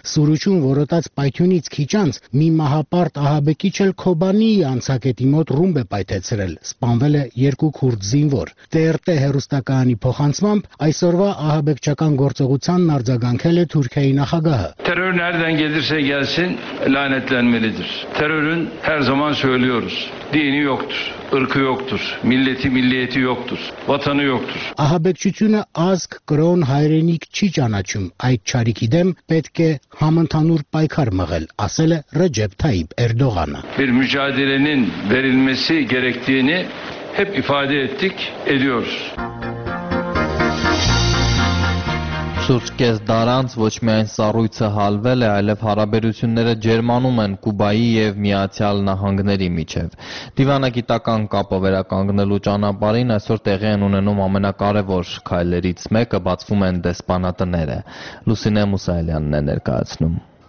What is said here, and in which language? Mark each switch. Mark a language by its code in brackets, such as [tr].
[hy] Սուրուճում որոտած պայթյունից քիչ անց մի մահապարտ ահաբեկիչ էլ Քոբանիի անցակետի մոտ ռումբ է պայթեցրել, սպանվել է երկու քուրդ զինվոր։ ՏՌՏ հեռուստակայանի փոխանցմամբ այսօրվա ահաբեկչական գործողությանն արձագանքել է Թուրքիայի նախագահը։ [tr] Terror nereden gelirse gelsin lanetlenmelidir. Terörün her zaman söylüyoruz. Dini yoktur, ırkı yoktur, milleti milliyeti yoktur, vatanı yoktur. [hy] Ահաբեկչությունը ազգ, կրոն, հայրենիք չի ճանաչում, այդ չարիքի դեմ պետք է համընդհանուր պայքար մղել, ասել է Ռեջեփ Թայիփ Էրդողանը։ [tr] Bir mücadelenin verilmesi gerektiğini hep ifade ettik, ediyoruz. [hy] Սուրց կես դարանց ոչ միայն սառույցը հալվել է, այլև հարաբերությունները ջերմանում են Կուբայի և Միացյալ Նահանգների միջև։ Դիվանագիտական կապը վերականգնելու ճանապարհին այսօր տեղի են ունենում ամենակարևոր քայլերից մեկը, բացվում են դեսպանատները։ Լուսինե Մուսայելյանն է ներկայացնում։